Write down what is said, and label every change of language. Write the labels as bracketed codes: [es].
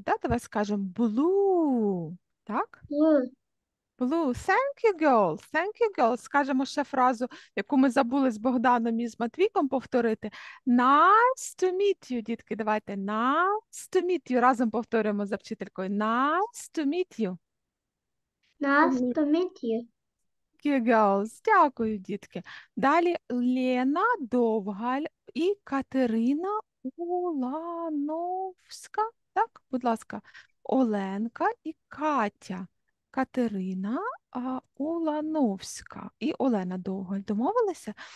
[uk] Да, давай скажемо blue. [en] Так? Blue. Thank you, girls. [uk] Скажемо ще фразу, яку ми забули з Богданом і з Матвійком повторити. [en] Nice to meet you, дітки. Давайте. Nice to meet you. [uk] Разом повторюємо за вчителькою. [en] Nice to meet you. Nice to meet you. Thank you, girls. [uk] Дякую, дітки. Далі Лена Довгаль і Катерина Улановська, так, будь ласка, Оленка і Катя, Катерина Улановська і Олена Довголь. Домовилися?